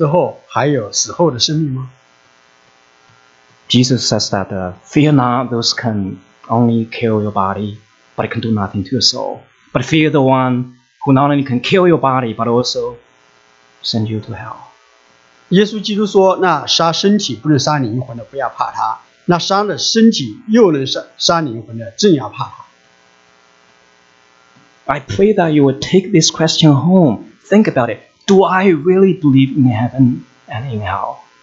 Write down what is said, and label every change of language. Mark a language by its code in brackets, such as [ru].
[zh] 你真的相信人死了之后还有死后的生命吗? [en] Jesus says that fear not those can only kill your body, but can do nothing to your soul. But fear the one who not only can kill your body, but also send you to hell. [zh] 耶稣基督说,那杀身体不能杀灵魂的,不要怕他。那伤了身体又能杀灵魂的,正要怕他。 [en] I pray that you would take this question home. Think about it. Do I really believe in heaven and in hell?